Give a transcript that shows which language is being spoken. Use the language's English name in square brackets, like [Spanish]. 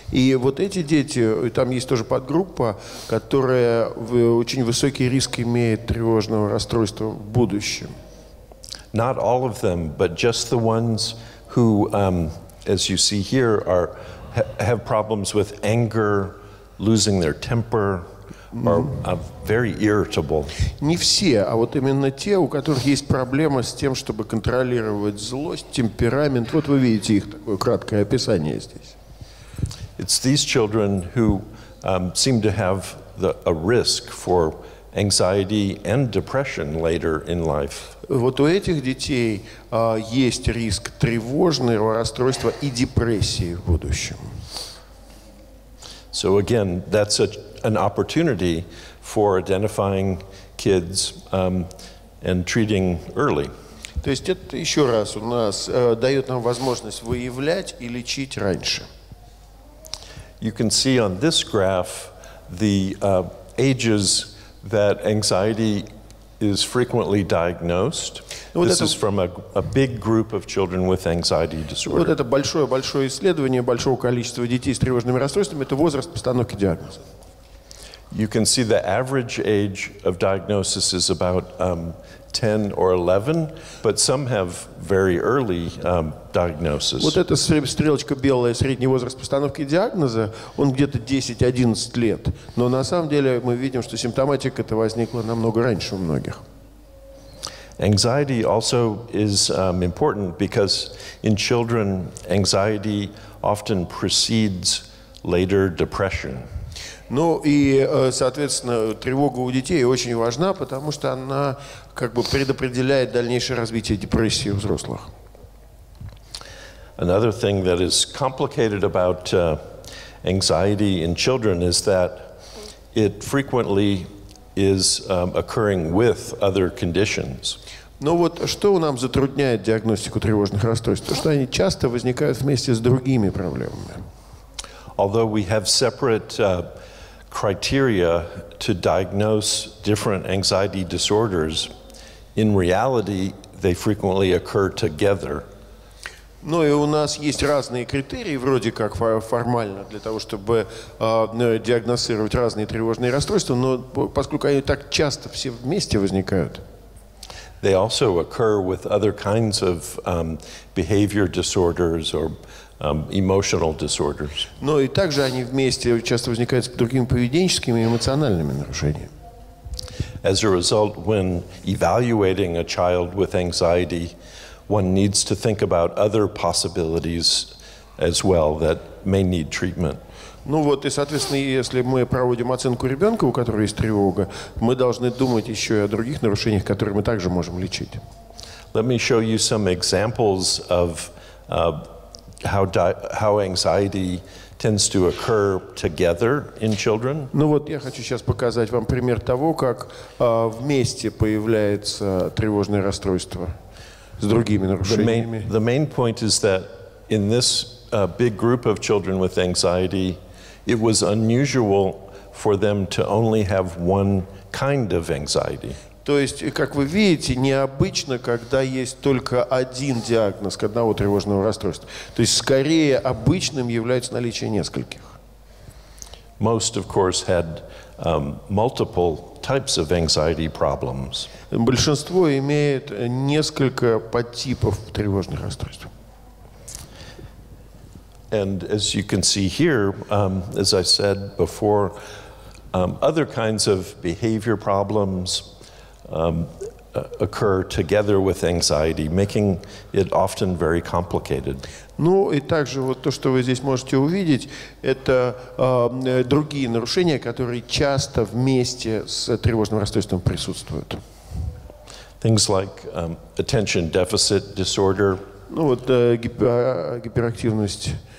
[Russian] И вот эти дети, там есть тоже подгруппа, которая очень высокий риск имеет тревожного расстройства в будущем. [English] Not all of them, but just the ones who, as you see here, are have problems with anger, losing their temper, are very irritable. [Russian] Не все, а вот именно те, у которых есть проблема с тем, чтобы контролировать злость, темперамент. Вот вы видите их такое краткое описание здесь. [English] It's these children who seem to have a risk for anxiety and depression later in life. [Russian] Вот у этих детей есть риск тревожного расстройства и депрессии в будущем. [English] So again, that's an opportunity for identifying kids and treating early. [Russian] То есть это еще раз у нас дает нам возможность выявлять и лечить раньше. [English] You can see on this graph the ages that anxiety is frequently diagnosed. This is from a big group of children with anxiety disorder. [Russian] Вот это большое исследование большого количества детей с тревожными расстройствами. Это возраст постановки диагноза. [English] You can see the average age of diagnosis is about 10 or 11, but some have very early diagnosis. [Russian] Вот эта стрелочка белая, средний возраст постановки диагноза, он где-то 10-11 лет. Но на самом деле мы видим, что симптоматика это возникла намного раньше у многих. [English] Anxiety also is important because in children, anxiety often precedes later depression. [Russian] Ну и, соответственно, тревога у детей очень важна, потому что она как бы предопределяет дальнейшее развитие депрессии у взрослых. [English] Another thing that is complicated about anxiety in children is that it frequently is occurring with other conditions. [Russian] Ну вот что нам затрудняет диагностику тревожных расстройств? То, что они часто возникают вместе с другими проблемами. [English] although we have separate criteria to diagnose different anxiety disorders, in reality, they frequently occur together. [Russian] Ну и у нас есть разные критерии, вроде как формально, для того, чтобы диагностировать разные тревожные расстройства, но поскольку они так часто все вместе возникают. [English] They also occur with other kinds of behavior disorders or emotional disorders. [Russian] Но и также они вместе часто возникают с другими поведенческими и эмоциональными нарушениями. [English] As a result, when evaluating a child with anxiety, one needs to think about other possibilities as well that may need treatment. [Russian] Ну вот, и, соответственно, если мы проводим оценку ребенка, у которого есть тревога, мы должны думать еще и о других нарушениях, которые мы также можем лечить. [English] Let me show you some examples of how anxiety tends to occur together in children. [Russian] Ну вот, я хочу сейчас показать вам пример того, как вместе появляется тревожное расстройство с другими нарушениями. [English] The main point is that in this big group of children with anxiety, it was unusual for them to only have one kind of anxiety. [Russian] То есть, как вы видите, необычно, когда есть только один диагноз одного тревожного расстройства. То есть, скорее обычным является наличие нескольких. [English] Most, of course, had multiple types of anxiety problems. [Russian] Большинство имеет несколько подтипов тревожных расстройств. [English] And as you can see here, as I said before, other kinds of behavior problems occur together with anxiety, making it often very complicated. [Russian] Ну и также вот то, что вы здесь можете увидеть, это другие нарушения, которые часто вместе с тревожным расстройством присутствуют. [English] Things like attention deficit disorder. [Russian] Ну вот гиперактивность.